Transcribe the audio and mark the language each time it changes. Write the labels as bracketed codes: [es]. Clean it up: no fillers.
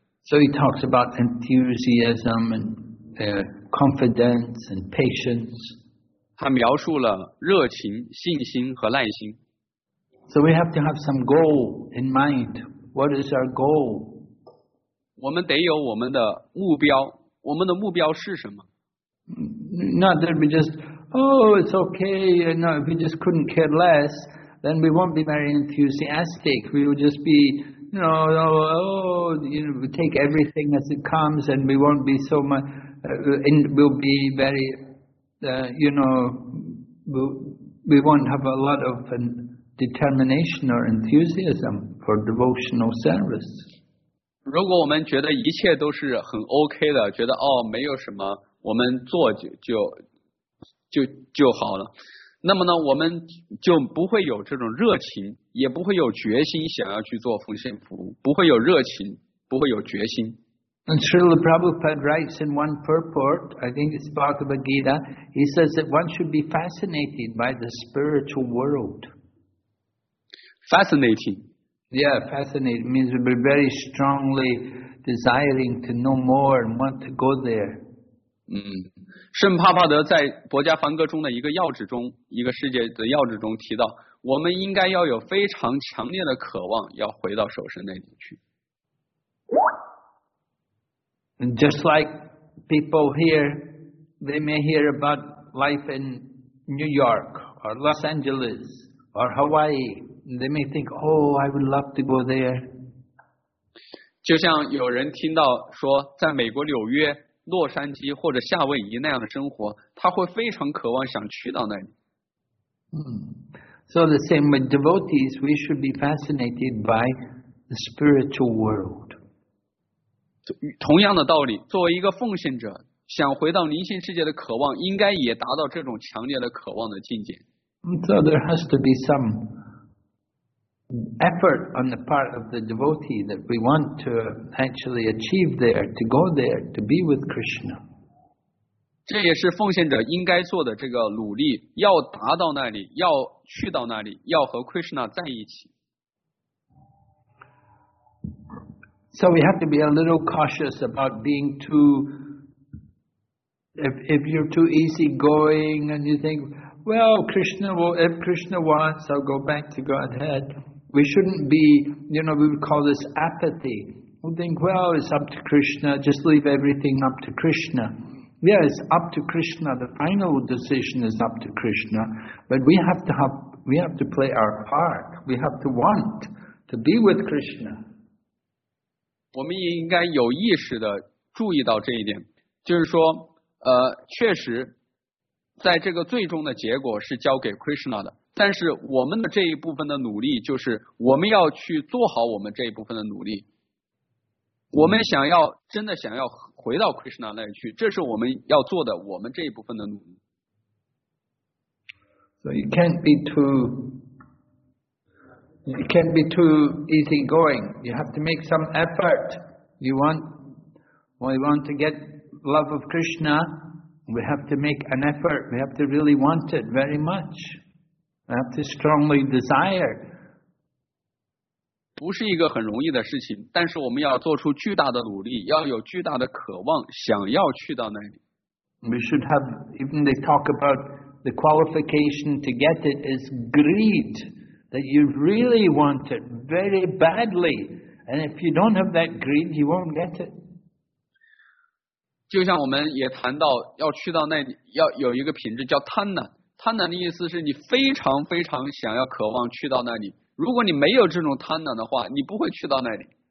[en] So he talks about enthusiasm and confidence and patience. [zh] 他描述了热情、信心和耐心。 [en] So we have to have some goal in mind. What is our goal? [zh] 我们得有我们的目标。我们的目标是什么？ [en] Not that we just, oh, it's okay. No, if we just couldn't care less, then we won't be very enthusiastic. We will just be, we take everything as it comes, and we won't be so much, and we'll be very, we won't have a lot of determination or enthusiasm for devotional service. [zh] 如果我们觉得一切都是很 OK 的，觉得哦没有什么，我们做就好了，那么呢，我们就不会有这种热情，也不会有决心想要去做奉献服务，不会有热情，不会有决心。 [en] And Srila Prabhupada writes in one purport, I think it's Bhagavad Gita, he says that one should be fascinated by the spiritual world. Fascinating, Yeah, fascinated means to be very strongly desiring to know more and want to go there. [zh] 圣帕帕德在博加梵歌中的一个要旨中，一个世界的要旨中提到，我们应该要有非常强烈的渴望要回到守神那里去。 [en] And just like people here, they may hear about life in New York or Los Angeles or Hawaii. They may think, "Oh, I would love to go there." [zh] 就像有人听到说在美国纽约、洛杉矶或者夏威夷那样的生活，他会非常渴望想去到那里。 [en] So the same with devotees, we should be fascinated by the spiritual world. [zh] 同样的道理，作为一个奉献者，想回到灵性世界的渴望，应该也达到这种强烈的渴望的境界。 [en] So there has to be some effort on the part of the devotee that we want to actually achieve there, to go there, to be with Krishna. [zh] 这也是奉献者应该做的这个努力，要达到那里，要去到那里，要和 Krishna 在一起。 [en] So we have to be a little cautious about being too, if you're too easygoing and you think, well, Krishna will, if Krishna wants, I'll go back to Godhead. We shouldn't be, you know, we would call this apathy. We think, well, it's up to Krishna, just leave everything up to Krishna. Yeah, it's up to Krishna, the final decision is up to Krishna. But we have to play our part. We have to want to be with Krishna. [zh] 我们也应该有意识地注意到这一点，就是说确实在这个最终的结果是交给 Krishna 的，但是我们的这一部分的努力，就是我们要去做好我们这一部分的努力，我们想要真的想要回到 Krishna 那里去，这是我们要做的我们这一部分的努力。 [en] So you can't be too easygoing. You have to make some effort. We want to get love of Krishna. We have to make an effort. We have to really want it very much. We have to strongly desire. [zh] 不是一个很容易的事情，但是我们要做出巨大的努力，要有巨大的渴望，想要去到那里。 [en] We should have, even they talk about the qualification to get it is greed. That you really want it very badly, and if you don't have that greed, you won't get it. [zh] 就像我们也谈到，要去到那里，要有一个品质叫贪婪。贪婪的意思是你非常非常想要渴望去到那里。如果你没有这种贪婪的话，你不会去到那里。